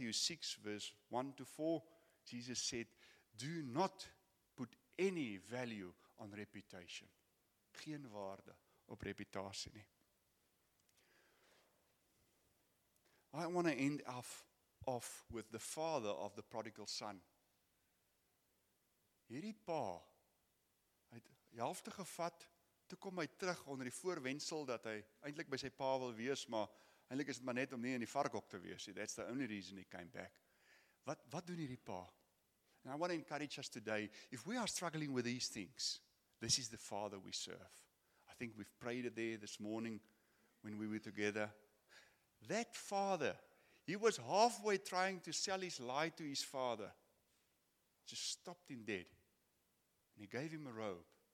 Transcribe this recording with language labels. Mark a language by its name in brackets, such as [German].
[English] Matthew 6:1-4, Jesus said, do not put any value on reputation. [Afrikaans] Geen waarde op reputasie nie. [English] I want to end off with the father of the prodigal son. [Afrikaans] Hierdie pa, hy het die helfte gevat, toe kom hy terug onder die voorwendsel dat hy eintlik by sy pa wil wees, maar eintlik is dit maar net om nie in die varkhok te wees. [English] That's the only reason he came back. [Afrikaans] Wat doen hierdie pa? [English] And I want to encourage us today, if we are struggling with these things, this is the father we serve. I think we've prayed it there this morning when we were together. That father, he was halfway trying to sell his lie to his father. Just stopped him dead. And he gave him a robe.